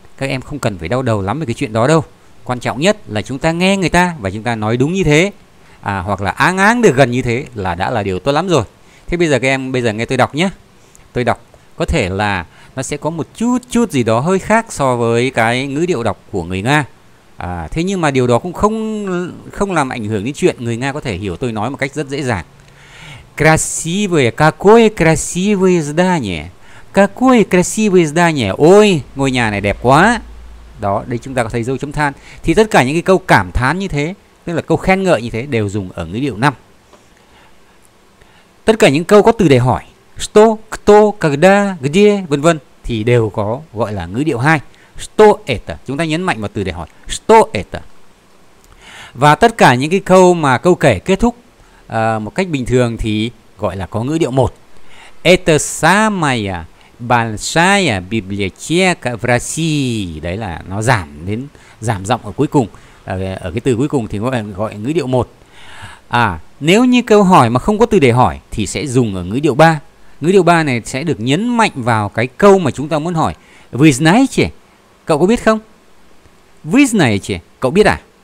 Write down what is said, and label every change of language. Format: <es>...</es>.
<vi>Các em không cần phải đau đầu lắm về cái chuyện đó đâu. Quan trọng nhất là chúng ta nghe người ta và chúng ta nói đúng như thế, hoặc là áng áng được gần như thế là đã là điều tốt lắm rồi. Thế bây giờ các em bây giờ nghe tôi đọc nhé. Tôi đọc có thể là nó sẽ có một chút gì đó hơi khác so với cái ngữ điệu đọc của người Nga. Thế nhưng mà điều đó cũng không làm ảnh hưởng đến chuyện người Nga có thể hiểu tôi nói một cách rất dễ dàng.</vi> <ru>Красивое, какое красивое здание. Какое красивое здание.</ru> <vi>Ôi, ngôi nhà này đẹp quá. Đó, đây chúng ta có thấy dấu chấm than. Thì tất cả những cái câu cảm thán như thế, tức là câu khen ngợi như thế đều dùng ở ngữ điệu 5. Tất cả những câu có từ để hỏi,</vi> <ru>что, кто, когда, где,</ru> <vi>vân vân thì đều có gọi là ngữ điệu 2.</vi> <ru>Что это?</ru> <vi>Chúng ta nhấn mạnh vào từ để hỏi,</vi> <ru>что это?</ru> <vi>Và tất cả những cái câu mà câu kể kết thúc một cách bình thường thì gọi là có ngữ điệu 1.</vi> <ru>Это самая большая библиотека в России.</ru> <vi>Đấy là nó giảm đến giảm giọng ở cuối cùng. Ở cái từ cuối cùng thì gọi ngữ điệu 1. Nếu như câu hỏi mà không có từ để hỏi thì sẽ dùng ở ngữ điệu 3. Ngữ điệu 3 này sẽ được nhấn mạnh vào cái câu mà chúng ta muốn hỏi.</vi> <ru>Вы знаете?</ru> <vi>Cậu có biết không? Вы знаете? Cậu biết à?</vi>